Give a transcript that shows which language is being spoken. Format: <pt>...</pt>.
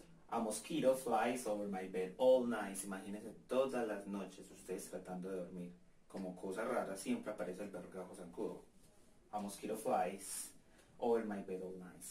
<en>A mosquito flies over my bed all night.</en> <es>Imagínense todas las noches ustedes tratando de dormir. Como cosa rara, siempre aparece el perro gajo zancudo.</es> <en>A mosquito flies over my bed all night.</en>